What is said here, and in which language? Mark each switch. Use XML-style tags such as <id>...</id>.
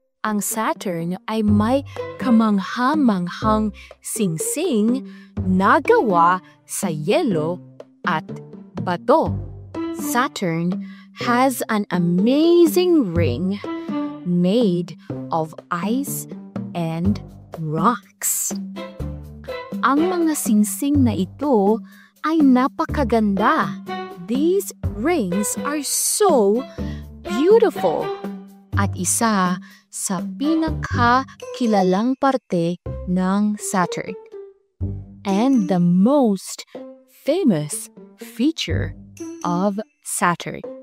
<tl>Ang Saturn ay may kamangha-manghang singsing na gawa sa yelo at bato.</tl> <en>Saturn has an amazing ring made of ice and rocks.</en> <tl>Ang mga singsing na ito ay napakaganda.</tl> <en>These rings are so beautiful.</en> <tl>At isa sa pinakakilalang parte ng Saturn.</tl> <en>And the most famous feature of Saturn.</en>